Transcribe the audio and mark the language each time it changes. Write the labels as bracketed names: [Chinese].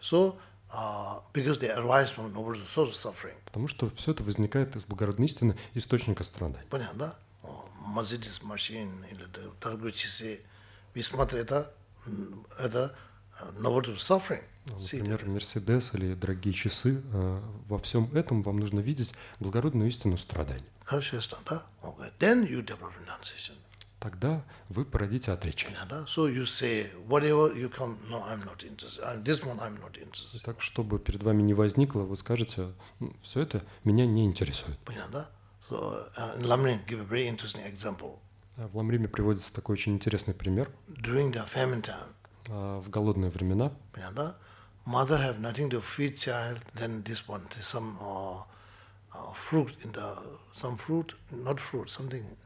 [English] So, because they arise from noble source of suffering. [Russian] Потому что все это возникает из благородной истины источника страданий. Понятно, да? Mercedes machine или торговые часы, вы смотрите, это [English] noble suffering. [Russian] Например, Mercedes или дорогие часы. Во всем этом вам нужно видеть благородную истину страданий. Хорошо, ясно, да? [English] Okay. Then you develop renunciation. [Russian] Тогда вы породите отречение. [English] Да, so you say whatever you come, no, I'm not interested. This one I'm not interested. [Russian] Итак, чтобы перед вами не возникло, вы скажете, все это меня не интересует. Понятно, да? [English] So Lamrim give a very interesting example. [Russian] В Ламриме приводится такой очень интересный пример. [English] During the famine time. [Russian] В голодные времена. Понятно, да? [English] Mother have nothing to feed child, then this one, there's some fruit in the some fruit, not fruit, something.